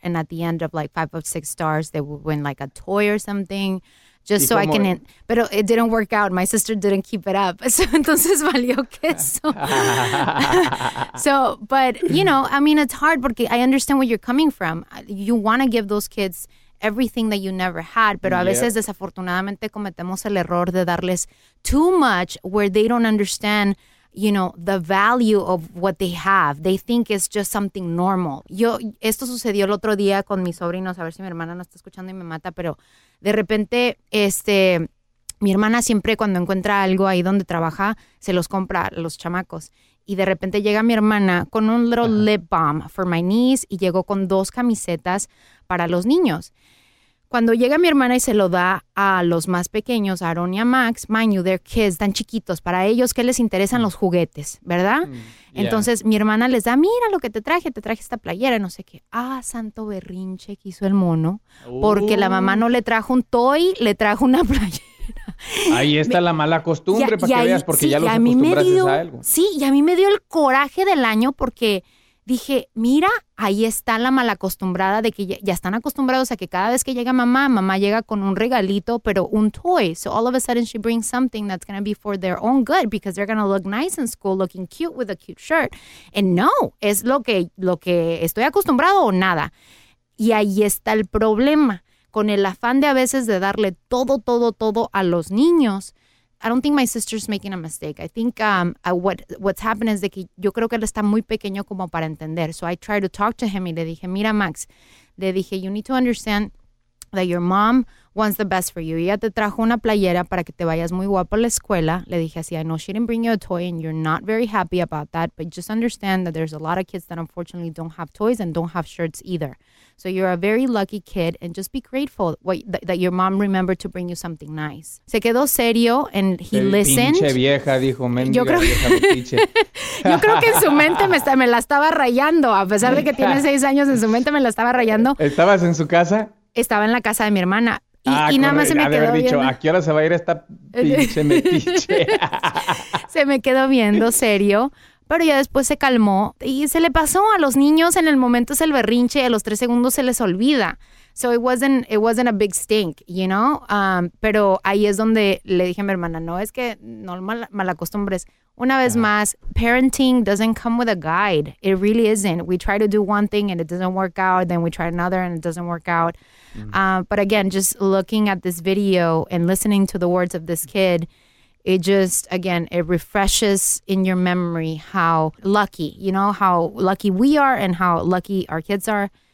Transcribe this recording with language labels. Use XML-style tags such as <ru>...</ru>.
<en>And at the end of like 5 or 6 stars, they would win like a toy or something. Just so I can... Pero it didn't work out. My sister didn't keep it up.</en> <es>So, entonces valió queso.</es> <en>So, but, you know, I mean, it's hard porque I understand where you're coming from. You want to give those kids everything that you never had,</en> <es>pero a veces desafortunadamente cometemos el error de darles</es> <en>too much where they don't understand, you know, the value of what they have. They think it's just something normal.</en> <es>Esto sucedió el otro día con mis sobrinos, a ver si mi hermana no está escuchando y me mata, pero de repente mi hermana siempre cuando encuentra algo ahí donde trabaja, se los compra a los chamacos. Y de repente llega mi hermana con un</es> <en>little lip balm for my niece</en> <es>y llegó con 2 camisetas para los niños. Cuando llega mi hermana y se lo da a los más pequeños, a Aaron y a Max,</es> <en>mind you, they're kids,</en> <es>tan chiquitos, para ellos, ¿qué les interesan? Los juguetes, ¿verdad? Entonces, mi hermana les da, mira lo que te traje esta playera, no sé qué. Ah, santo berrinche que hizo el mono, porque la mamá no le trajo un toy, le trajo una playera. Ahí está la mala costumbre, para que ahí veas, porque sí, ya los acostumbraste a algo. Sí, y a mí me dio el coraje del año porque dije, mira, ahí está la mala acostumbrada de que ya están acostumbrados a que cada vez que llega mamá llega con un regalito, pero un toy.</es> <en>So all of a sudden she brings something that's going to be for their own good because they're going to look nice in school, looking cute with a cute shirt.</en> <es>And no, es lo que estoy acostumbrado o nada. Y ahí está el problema. con el afán de a veces de darle todo, todo, todo a los niños.</es> <en>I don't think my sister's making a mistake. I think what's happened is</en> <es>que yo creo que él está muy pequeño como para entender.</es> <en>So I tried to talk to him</en> <es>y le dije, mira, Max, le dije,</es> <en>you need to understand that your mom wants the best for you.</en> <es>Ella te trajo una playera para que te vayas muy guapo a la escuela. Le dije así,</es> <en>I know she didn't bring you a toy and you're not very happy about that, but just understand that there's a lot of kids that unfortunately don't have toys and don't have shirts either. So you're a very lucky kid and just be grateful that your mom remembered to bring you something nice.</en> <es>Se quedó serio</es> <en>and he</en> <es>el</es> <en>listened.</en> <es>Pinche vieja, dijo, mendiga, yo creo, vieja, yo creo que en su mente me la estaba rayando. A pesar de que tiene 6 años, en su mente me la estaba rayando. ¿Estabas en su casa? Estaba en la casa de mi hermana. Y nada más se me quedó dicho, viendo. ¿A qué hora se va a ir esta pinche metiche? Se me quedó viendo, serio. Pero ya después se calmó. Y se le pasó a los niños. En el momento es el berrinche. A los 3 segundos se les olvida.</es> <en>So it wasn't a big stink, you know?</en> <es>Pero ahí es donde le dije a mi hermana, no, es que no mal acostumbres. Una vez más,</es> <en>parenting doesn't come with a guide. It really isn't. We try to do one thing and it doesn't work out. Then we try another and it doesn't work out. Mm-hmm. But again, just looking at this video and listening to the words of this kid, it just, again, it refreshes in your memory how lucky, you know, how lucky we are and how lucky our kids are.</en>